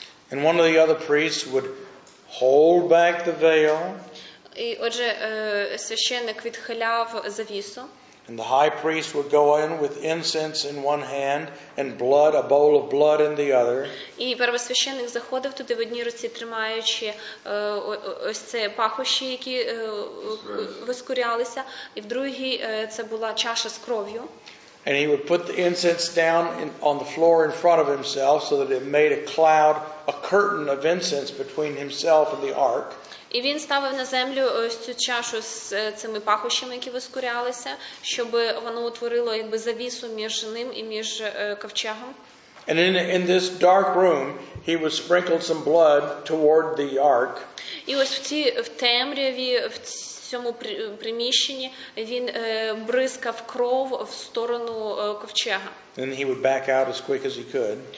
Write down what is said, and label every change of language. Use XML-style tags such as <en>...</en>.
<en>And one of the other priests would hold back the veil.</en> <uk>І отже, священник відхиляв завісу.</uk> <en>And the high priest would go in with incense in one hand and blood, a bowl of blood in the other.</en> <uk>І первосвященник заходив туди в одній руці, тримаючи ось це пахощі, які воскурялися, і в другій це була чаша з кров'ю.</uk> <en>And he would put the incense down on the floor in front of himself so that it made a cloud, a curtain of incense between himself and the ark.</en> <uk>І він ставив на землю ось цю чашу з цими пахощами, які воскурялися, щоб воно утворило якби завісу між ним і між ковчегом.</uk> <en>And in this dark room, he would sprinkle some blood toward the ark.</en> <uk>І ось в темряві, в цьому приміщенні, він бризкав кров в сторону ковчега.</uk> <en>And he would back out as quick as he could.</en>